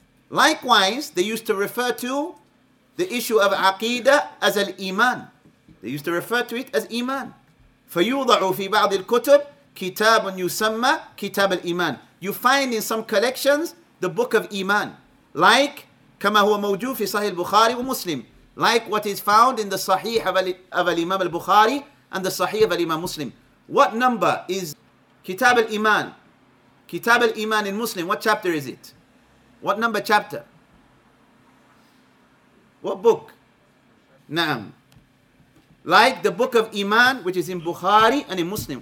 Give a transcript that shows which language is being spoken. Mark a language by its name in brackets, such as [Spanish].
[English] Likewise, they used to refer to the issue of aqidah as al-iman. They used to refer to it as iman. [Arabic] فَيُوضَعُ فِي بَعْضِ الْكُتُبِ كِتَابٌ يُسَمَّى كِتَابَ الْإِيمَانِ. [English] You find in some collections the book of iman. Like, [Arabic] كَمَا هُوَ مَوْجُوهُ فِي صَحِيحِ الْبُخَارِ وَمُسْلِمِ. [English] Like what is found in the Sahih of al-Imam al-Bukhari and the Sahih of al-Imam Muslim. What number is كِتَابَ الْإِيمَانِ? كِتَابَ الْإِيمَانِ in Muslim, what chapter is it? What number chapter? What book? Naam. Like the book of Iman, which is in Bukhari and in Muslim.